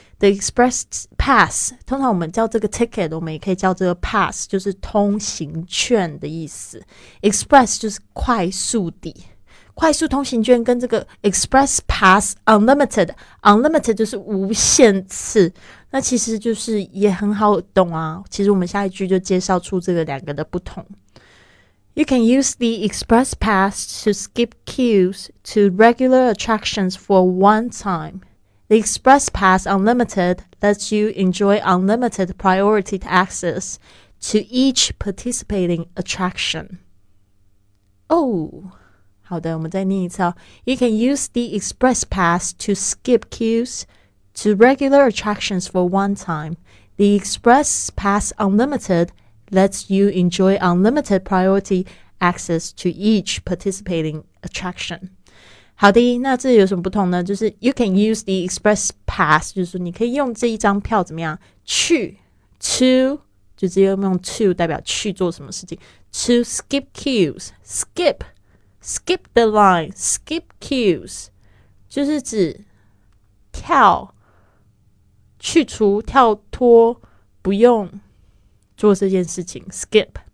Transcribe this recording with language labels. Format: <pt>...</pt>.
<zh>The express pass 通常我们叫这个 ticket， 我们也可以叫这个 pass， 就是通行券的意思。 express 就是快速的，快速通行券跟这个 Express Pass Unlimited， Unlimited 就是无限次，那其实就是也很好懂啊。其实我们下一句就介绍出这个两个的不同。</zh> <en>You can use the Express Pass to skip queues to regular attractions for one time. The Express Pass Unlimited lets you enjoy unlimited priority access to each participating attraction.</en> <zh>Oh,好的，我们再念一次哦。</zh> <en>You can use the Express Pass to skip queues to regular attractions for one time. The Express Pass Unlimited lets you enjoy unlimited priority access to each participating attraction.</en> <zh>好的，那这有什么不同呢？就是</zh> <en>You can use the Express Pass，</en> <zh>就是说你可以用这一张票怎么样？去 to 就直接用 to 代表去做什么事情 ？</zh> <en>To skip queues，</en> <zh>skip。</zh> <en>Skip the line, skip queues</en> <zh>就是指跳去除跳脱不用做这件事情 skip</zh>